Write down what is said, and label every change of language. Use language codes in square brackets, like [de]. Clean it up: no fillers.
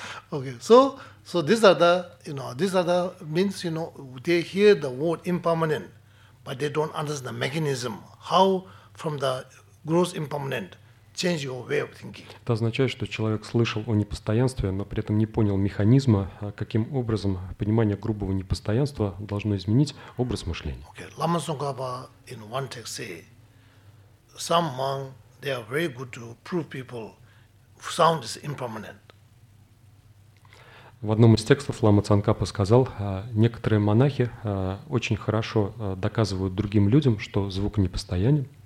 [en] Okay, so these are the, you know, these are the means, you know, they hear the word impermanent, but they don't understand the mechanism, how from the gross impermanent. Change your way of thinking. [ru] Это означает, что человек слышал о непостоянстве, но при этом не понял механизма, каким образом понимание грубого непостоянства должно изменить образ мышления. [en] Okay. Lama Tsongkhapa in one text say, some monks, they are very good to prove people sound is impermanent. [ru] В одном из текстов Лама Цанкапа сказал, некоторые монахи очень хорошо доказывают другим людям, что звук непостоянен.